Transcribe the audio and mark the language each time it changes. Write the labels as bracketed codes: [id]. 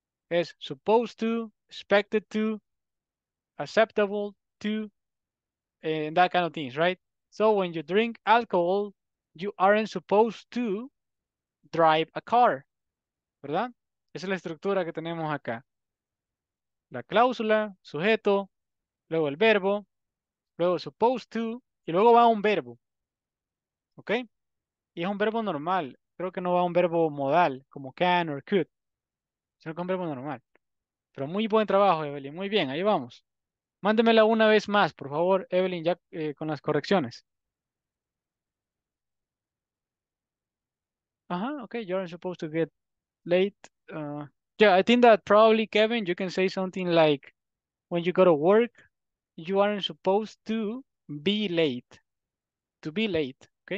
[en] Es supposed to, expected to, acceptable to, and that kind of things, right? So when you drink alcohol, you aren't supposed to drive a car, ¿verdad? [es] Esa es la estructura que tenemos acá. La cláusula, sujeto, luego el verbo, luego supposed to, y luego va un verbo, ¿ok? Y es un verbo normal. Creo que no va un verbo modal, como can or could, sino que un verbo normal. Pero muy buen trabajo, Evelyn. Muy bien, ahí vamos. Mándemela una vez más, por favor, Evelyn, ya con las correcciones. [en] Ajá, okay, you aren't supposed to get late. Yeah, I think that probably, Kevin, you can say something like, when you go to work, you aren't supposed to be late. To be late.